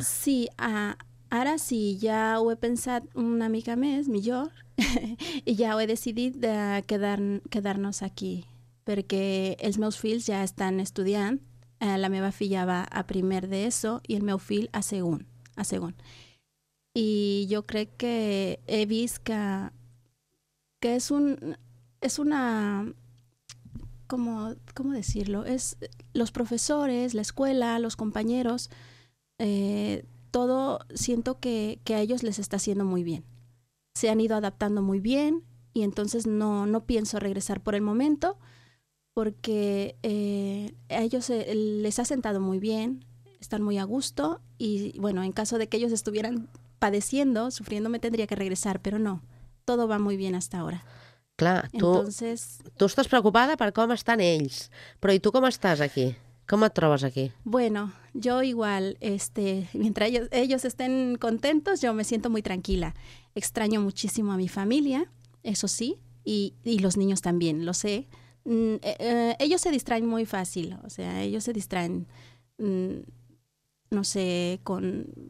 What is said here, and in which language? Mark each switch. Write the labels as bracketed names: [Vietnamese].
[Catalan] Sí, ara sí, ja ho he pensat una mica més, millor, i ja ho he decidit de quedar-nos aquí, perquè els meus fills ja estan estudiant, la meva filla va a primer d'ESO i el meu fill a segon. [Spanish] Y yo creo que he visto que es una, ¿cómo decirlo? Es los profesores, la escuela, los compañeros, todo siento que a ellos les está haciendo muy bien. Se han ido adaptando muy bien y entonces no pienso regresar por el momento porque a ellos les ha sentado muy bien, están muy a gusto y bueno, en caso de que ellos estuvieran padeciendo, sufriendo, me tendría que regresar, pero no. Todo va muy bien hasta ahora. [Catalan] Clar, tu estàs preocupada per com estan ells, però i tu com estàs aquí? Com et trobes aquí? [Spanish] Bueno, yo igual, mientras ellos estén contentos, yo me siento muy tranquila. Extraño muchísimo a mi familia, eso sí, y los niños también, lo sé. Ellos se distraen muy fácil, o sea, ellos se distraen, no sé, con...